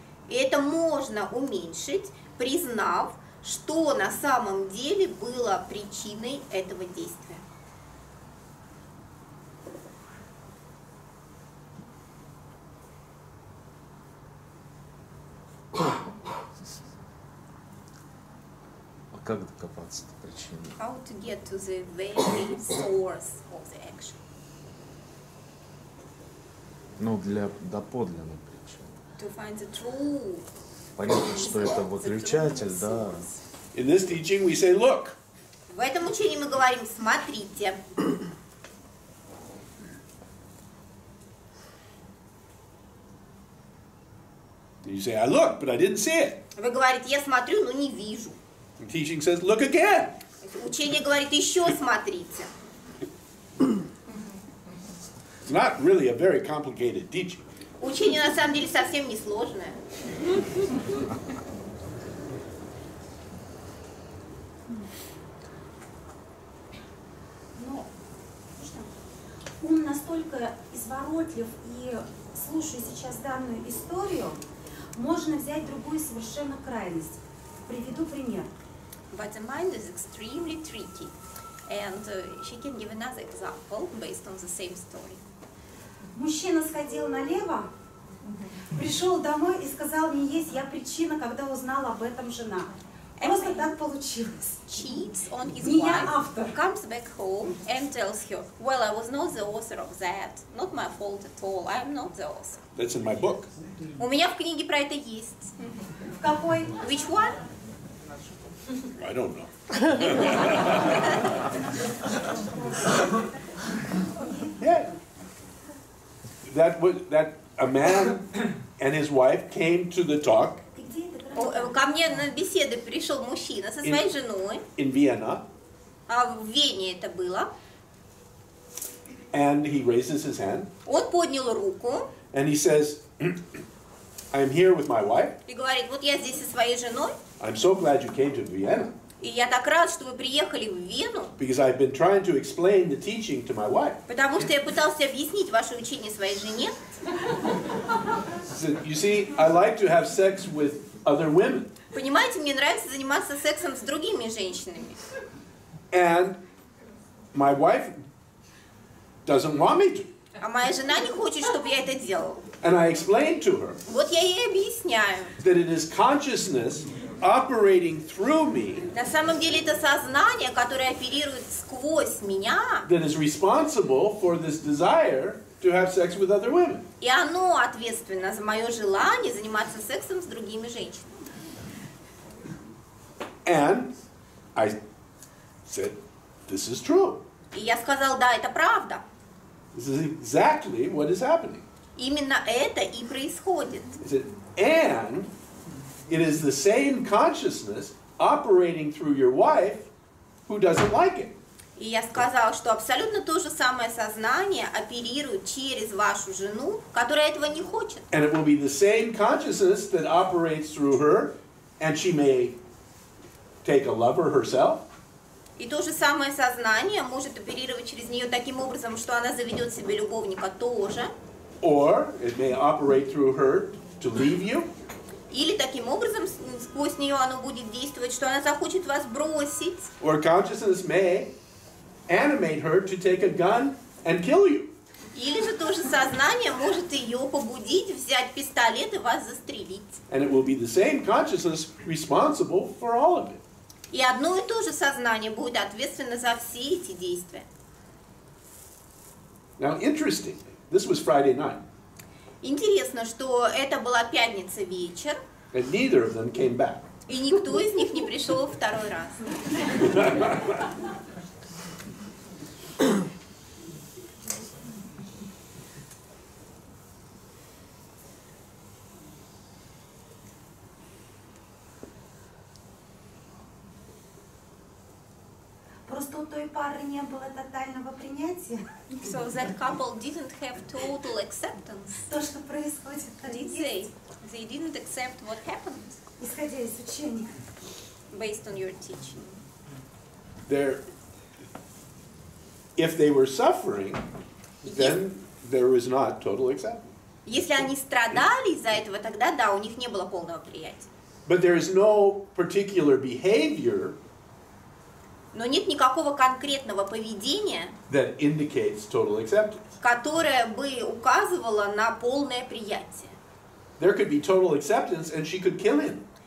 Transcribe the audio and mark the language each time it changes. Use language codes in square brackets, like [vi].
[ru] Это можно уменьшить, признав, что на самом деле было причиной этого действия. А как докопаться до причины? [en] How to get to the very source of the action? [ru] Ну, для доподлинной причины. [en] To find the truth. [ru] Понятно, что это выключатель, да. [en] In this teaching we say, look. [ru] В этом учении мы говорим, смотрите. [en] You say, I look, but I didn't see it. [ru] Вы говорите, я смотрю, но не вижу. [en] The teaching says, look again. [ru] Учение говорит, еще смотрите. [en] It's not really a very complicated teaching. [ru] Учение на самом деле совсем не сложное. Но он настолько изворотлив и слушая сейчас данную историю, можно взять другую совершенно крайность. Приведу пример. [en] But the mind is extremely tricky. And she can give another example based on the same story. [ru] Мужчина сходил налево, пришел домой и сказал мне, есть я причина, когда узнала об этом жена. Просто так получилось. [en] Cheats on his [ru] не [en] wife, [ru] я автор. [en] Comes back home and tells her, well, I was not the author of that. Not my fault at all. I'm not the author. That's in my book. [ru] У меня в книге про это есть. В какой? [en] Which one? I don't know. Yeah. That a man and his wife came to the talk. [ru] Ко мне на беседы пришел мужчина со своей женой. [en] In Vienna. [ru] А в Вене это было. [en] And he raises his hand. [ru] Он поднял руку. [en] And he says, I'm here with my wife. [ru] И говорит, вот я здесь со своей женой. [en] I'm so glad you came to Vienna. [ru] И я так рад, что вы приехали в Вену. [en] Because I've been trying to explain the teaching to my wife. [ru] Потому что я пытался объяснить ваше учение своей жене. [en] You see, I like to have sex with other women. [ru] Понимаете, мне нравится заниматься сексом с другими женщинами. [en] And my wife doesn't want me to. [ru] А моя жена не хочет, чтобы я это делал. [en] And I explained to her. [ru] Вот я ей объясняю. [en] That it is consciousness operating through me. [ru] На самом деле это сознание, которое оперирует сквозь меня. [en] That is responsible for this desire to have sex with other women. [ru] И оно ответственно за мое желание заниматься сексом с другими женщинами. [en] And I said, this is true. [ru] И я сказал, да, это правда. [en] This is exactly what is happening. [ru] Именно это и происходит. [en] And it is the same consciousness operating through your wife who doesn't like it. [ru] И я сказал, что абсолютно то же самое сознание оперирует через вашу жену, которая этого не хочет. [en] And it will be the same consciousness that operates through her, and she may take a lover herself. [ru] И то же самое сознание может оперировать через нее таким образом, что она заведет себе любовника тоже. [en] Or it may operate through her to leave you. [ru] Или таким образом сквозь нее оно будет действовать, что она захочет вас бросить. [en] Or consciousness may animate her to take a gun and kill you. [ru] Или же то же сознание может ее побудить взять пистолет и вас застрелить. [en] And it will be the same consciousness responsible for all of it. [ru] И одно и то же сознание будет ответственно за все эти действия. [en] Now, interestingly, this was Friday night. [ru] Интересно, что это была пятница вечер. [en] And neither of them came back. [ru] И никто из них не пришел второй раз. Просто у той пары не было тотального принятия. [en] So that couple didn't have total acceptance. [ru] То, что происходит. [en] Did they didn't accept what happened. [ru] Исходя из учения. [en] Based on your teaching. There. If they were suffering, then there was not total acceptance. [ru] Если они страдали из-за этого, тогда да, у них не было полного принятия. [en] But there is no particular behavior. [ru] Но нет никакого конкретного поведения, [en] that indicates total acceptance. [ru] Которое бы указывало на полное приятие. [en] There could be total acceptance, and she could kill him.